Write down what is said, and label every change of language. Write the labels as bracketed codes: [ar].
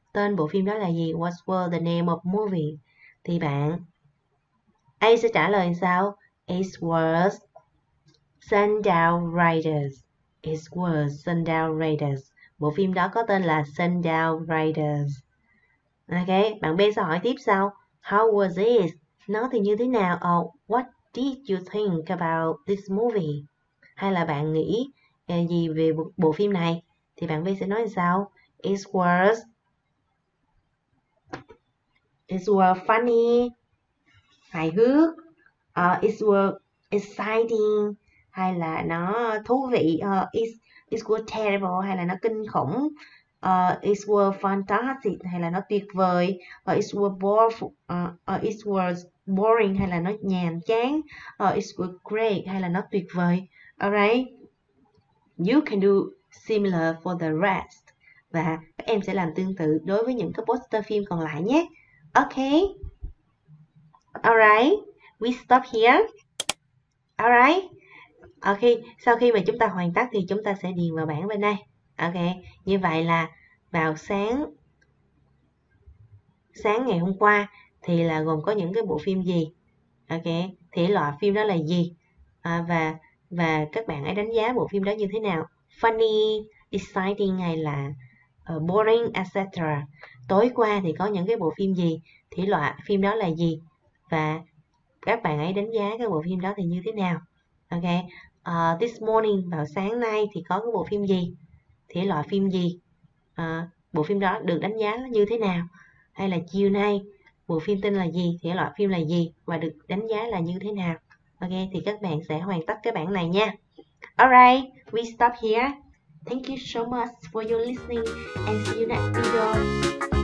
[vi] tên bộ phim đó là gì? [en] What was the name of movie? [vi] Thì bạn A sẽ trả lời sao? [en] It was Sundown Riders. It was Sundown Riders. [vi] Bộ phim đó có tên là Sundown Riders. Ok, bạn B sẽ hỏi tiếp sao? [en] How was it? [vi] Nó thì như thế nào? [en] Or what did you think about this movie? [vi] Hay là bạn nghĩ gì về bộ phim này? Thì bạn B sẽ nói sao? [en] It was funny, [vi] hài hước, [en] it was exciting, [vi] hay là nó thú vị, [en] it was terrible, [vi] hay là nó kinh khủng, [en] it was fantastic, [vi] hay là nó tuyệt vời, [en] it was boring, [vi] hay là nó nhàm chán, [en] it was great, [vi] hay là nó tuyệt vời. [en] Alright, you can do similar for the rest. [vi] Và các em sẽ làm tương tự đối với những cái poster phim còn lại nhé. [en] Okay. Alright. We stop here. Alright. Okay. [vi] Sau khi mà chúng ta hoàn tất thì chúng ta sẽ điền vào bảng bên đây. Okay. Như vậy là vào sáng ngày hôm qua thì là gồm có những cái bộ phim gì? Okay. Thể loại phim đó là gì? Và các bạn hãy đánh giá bộ phim đó như thế nào? [en] Funny, exciting hay là boring, etc. [vi] Tối qua thì có những cái bộ phim gì? Thể loại phim đó là gì? Và các bạn ấy đánh giá cái bộ phim đó thì như thế nào? Ok. [en] This morning, [vi] vào sáng nay thì có cái bộ phim gì? Thể loại phim gì? Bộ phim đó được đánh giá như thế nào? Hay là chiều nay, bộ phim tên là gì? Thể loại phim là gì? Và được đánh giá là như thế nào? Ok, thì các bạn sẽ hoàn tất cái bảng này nha. [en] Alright, we stop here. Thank you so much for your listening and see you next video.